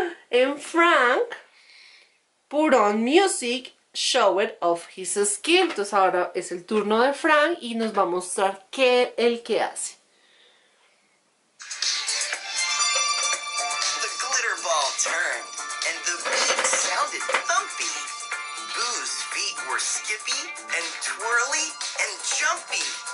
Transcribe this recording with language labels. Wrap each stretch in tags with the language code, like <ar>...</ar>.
<en>And Frank put on music, showed off his skill.</en> <es>Entonces ahora es el turno de Frank y nos va a mostrar qué el que hace.</es> <en>The glitter ball turned and the beat sounded thumpy. Boo's feet were skippy and twirly and jumpy.</en>